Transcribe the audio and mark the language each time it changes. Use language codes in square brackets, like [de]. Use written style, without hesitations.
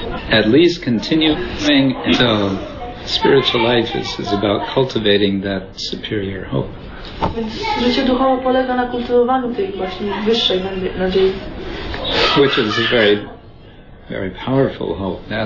[en] At least continuing so spiritual life is about cultivating that superior hope. [pl] Więc życie duchowe polega na kultywowaniu tej właśnie wyższej nadziei. [en] Which is a very, very powerful hope.